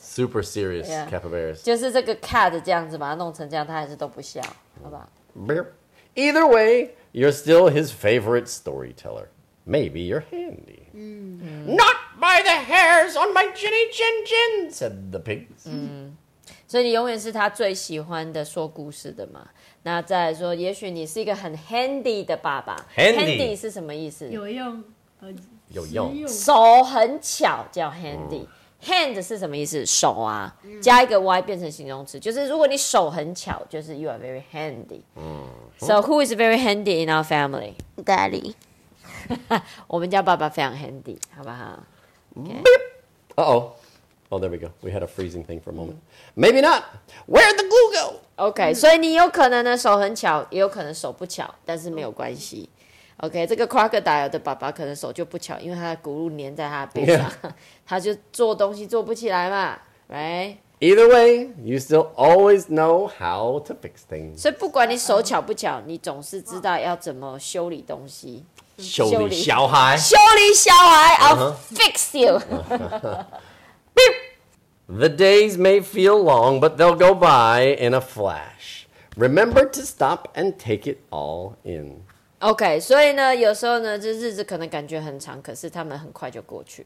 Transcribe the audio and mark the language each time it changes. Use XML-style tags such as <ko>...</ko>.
<en>Super serious、yeah. capybaras. Just this cat, this kind of,</en> <zh>把它弄成这样，他还是都不笑，好吧</zh> <en>Either way, you're still his favorite storyteller. Maybe you're handy. Mm-hmm. Not by the hairs on my chinny chin chin, said the pigs. Mm-hmm.</en> <zh>所以你永远是他最喜欢的说故事的嘛。那再来说，也许你是一个很 handy 的爸爸。</zh> <en>Handy</en> <zh>是什么意思？有用，有用，手很巧叫 handy。嗯Hand 是什么意思？手啊，加一个 y 变成形容词，就是如果你手很巧，就是</zh> <en>you are very handy。</en> <zh>嗯。</zh> <en>So who is very handy in our family? Daddy，</en> <zh>我们家爸爸非常 handy， 好不好</zh> <en>？Okay. Uh-oh. Oh, there we go. We had a freezing thing for a moment.、Mm. Maybe not. Where'd the glue go?</en> <zh>Okay.、Mm. 所以你有可能呢，手很巧，也有可能手不巧，但是没有关系。 OK， 这个 Crocodile 的爸爸可能手就不巧，因为他的骨碌粘在他的背上， yeah. 他就做东西做不起来嘛 ，</zh> <en>Right？ Either way， you still always know how to fix things。</en> <zh>所以不管你手巧不巧，你总是知道要怎么修理东西。修理小孩，修理小孩</zh> <en>，I'll、uh-huh. fix you 。 The days may feel long, but they'll go by in a flash. Remember to stop and take it all in.</en> <zh>OK, 所以呢有时候呢这日子可能感觉很长可是他们很快就过去。</zh>